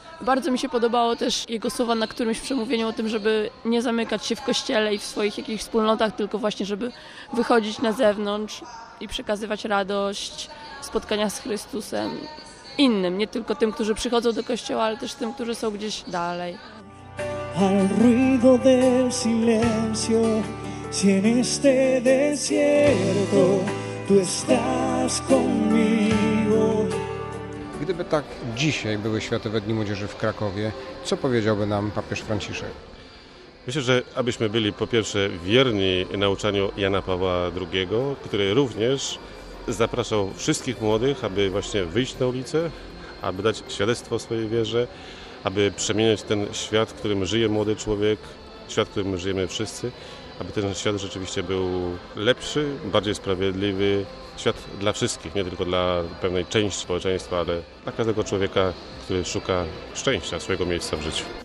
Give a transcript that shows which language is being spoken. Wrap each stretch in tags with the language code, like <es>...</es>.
<pl>Bardzo mi się podobało też jego słowa na którymś przemówieniu o tym, żeby nie zamykać się w kościele i w swoich jakichś wspólnotach, tylko właśnie, żeby wychodzić na zewnątrz i przekazywać radość spotkania z Chrystusem innym, nie tylko tym, którzy przychodzą do kościoła, ale też tym, którzy są gdzieś dalej.</pl> <es>Al ruido del silencio, si en este desierto, tu estás conmigo.</es> <pl>Gdyby tak dzisiaj były Światowe Dni Młodzieży w Krakowie, co powiedziałby nam papież Franciszek? Myślę, że abyśmy byli po pierwsze wierni nauczaniu Jana Pawła II, który również zapraszał wszystkich młodych, aby właśnie wyjść na ulicę, aby dać świadectwo swojej wierze, aby przemieniać ten świat, w którym żyje młody człowiek, świat, w którym żyjemy wszyscy, aby ten świat rzeczywiście był lepszy, bardziej sprawiedliwy, świat dla wszystkich, nie tylko dla pewnej części społeczeństwa, ale dla każdego człowieka, który szuka szczęścia, swojego miejsca w życiu.</pl>